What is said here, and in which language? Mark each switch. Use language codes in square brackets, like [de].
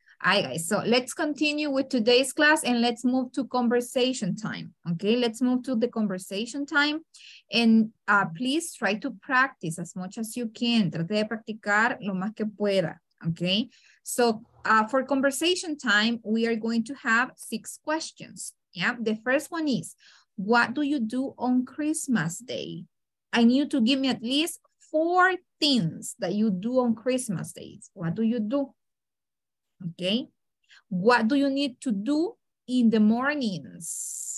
[en] All right, guys, so let's continue with today's class and let's move to conversation time, okay? Let's move to the conversation time. And please try to practice as much as you can. [es] Trate de practicar lo más que pueda, okay? [en] So for conversation time, we are going to have 6 questions. Yeah, the first one is, what do you do on Christmas Day? I need to give me at least 4 things that you do on Christmas days. What do you do? Okay. What do you need to do in the mornings?